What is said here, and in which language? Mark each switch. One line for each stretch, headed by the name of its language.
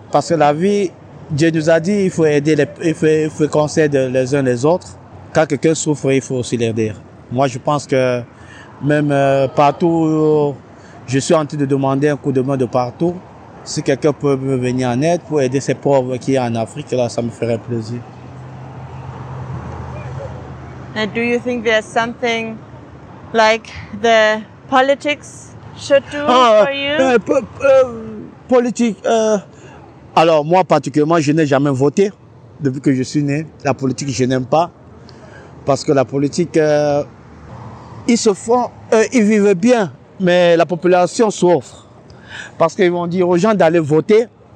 French: Parce que la vie, Dieu nous a dit, il faut aider, il faut conseiller les uns les autres. Quand quelqu'un souffre, il faut aussi l'aider. Moi, je pense que même partout, je suis en train de demander un coup de main de partout. Si quelqu'un peut me venir en aide pour aider ces pauvres qui sont en Afrique, là, ça me ferait plaisir.
English: And do you think there's something like the politics should do for you?
French: Alors moi particulièrement, je n'ai jamais voté depuis que je suis né. La politique, je n'aime pas, parce que la politique, ils vivent bien, mais la population souffre, parce qu'ils vont dire aux gens d'aller voter.